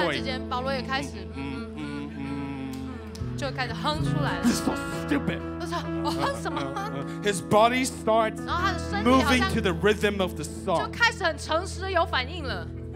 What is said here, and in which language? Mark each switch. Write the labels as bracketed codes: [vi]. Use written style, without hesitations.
[zh] 突然之间，保罗也开始，就开始哼出来了。 [en] This is so stupid. [zh] 他说，我哼什么？ [en] His body starts moving to the rhythm of the song. [zh] 就开始很诚实的有反应了。